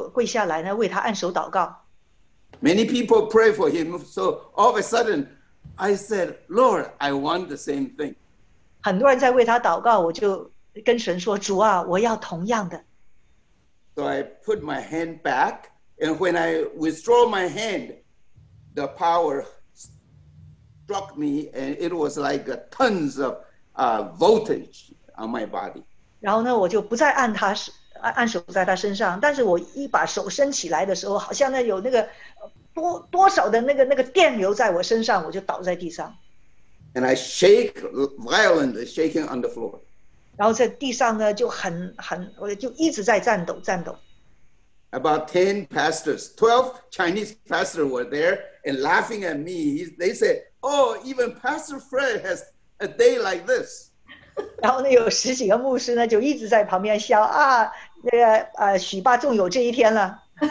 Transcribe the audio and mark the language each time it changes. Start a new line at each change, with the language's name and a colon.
Chinese: 他那个人倒在地上，所以呢，我就跪下来呢，为他按手祷告。
English: Many people pray for him, so all of a sudden, I said, "Lord, I want the same thing."
Chinese: 很多人在为他祷告，我就跟神说，主啊，我要同样的。
English: So I put my hand back. And when I withdraw my hand, the power struck me, and it was like a tons of voltage on my body.
Chinese: 然后呢，我就不再按手在他身上，但是我一把手伸起来的时候，好像呢有那个多少的那个电流在我身上，我就倒在地上。
English: And I shake violently, shaking on the floor.
Chinese: 然后在地上呢就很，我就一直在颤抖。
English: About 10 pastors, 12 Chinese pastors were there, and laughing at me. They said, oh, even Pastor Fred has a day like this.
Chinese: 然后呢,有十几个牧师呢,就一直在旁边笑,啊,许霸终有这一天了。